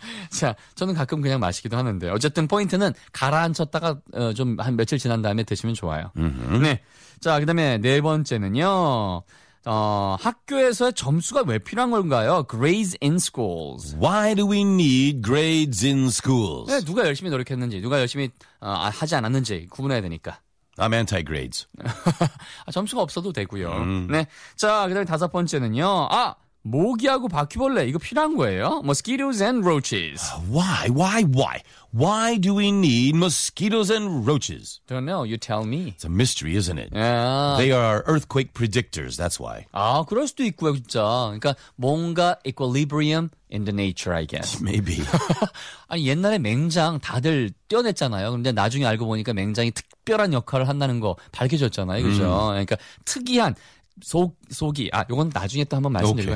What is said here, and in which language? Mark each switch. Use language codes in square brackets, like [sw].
[ko] 자, 저는 가끔 그냥 마시기도 하는데. 어쨌든 포인트는 가라앉혔다가 좀 한 며칠 지난 다음에 드시면 좋아요. Mm-hmm. 네. 자, 그다음에 네 번째는요. 학교에서의 점수가 왜 필요한 건가요? [en] Grades in schools. Why do we need grades in schools? [ko] 네, 누가 열심히 노력했는지, 누가 열심히 하지 않았는지 구분해야 되니까. [en] I'm anti-grades. [ko] 점수가 없어도 되고요. 네. 자, 그다음에 다섯 번째는요. 아, 모기하고 바퀴벌레 이거 필요한 거예요? [en] Mosquitoes and roaches. Why? Why do we need mosquitoes and roaches? Don't know. You tell me. It's a mystery, isn't it? Yeah. They are earthquake predictors. That's why. [ko] 아, 그럴 수도 있고요, 진짜. 그러니까 뭔가 [en] equilibrium in the nature, I guess. Maybe. [ko] 아니 옛날에 맹장 다들 떼어냈잖아요. 근데 나중에 알고 보니까 맹장이 특별한 역할을 한다는 거 밝혀졌잖아요, 그렇죠? 그러니까 특이한 속이 아 요건 나중에 또 한번 말씀드리고요.